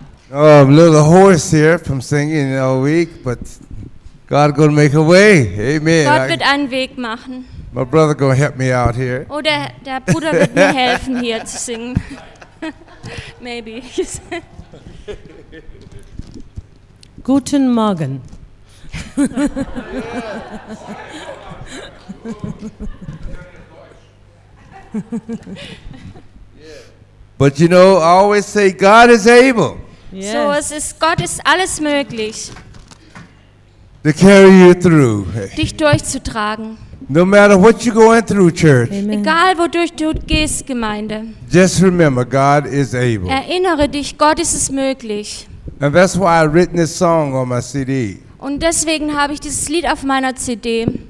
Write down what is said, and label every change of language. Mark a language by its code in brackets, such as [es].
[en] Oh, I'm a little hoarse here from singing all week, but God is going to make a way. Amen. [de] Gott wird einen Weg machen. [en] My brother is going to help me out here. [de] Oh, der Bruder wird mir helfen, hier zu singen. [en] Maybe. [de] Guten Morgen. [en] But you know, I always say God is able. [de] Yes. So es ist Gott ist alles möglich. [en] To carry you through. [de] Dich durchzutragen. [en] No matter what you're going through, church. [de] Amen. Egal, wodurch du gehst, Gemeinde. [en] Just remember, God is able. [de] Erinnere dich, Gott ist es möglich. [en] And that's why I've written this song on my CD. [de] Und deswegen habe ich dieses Lied auf meiner CD.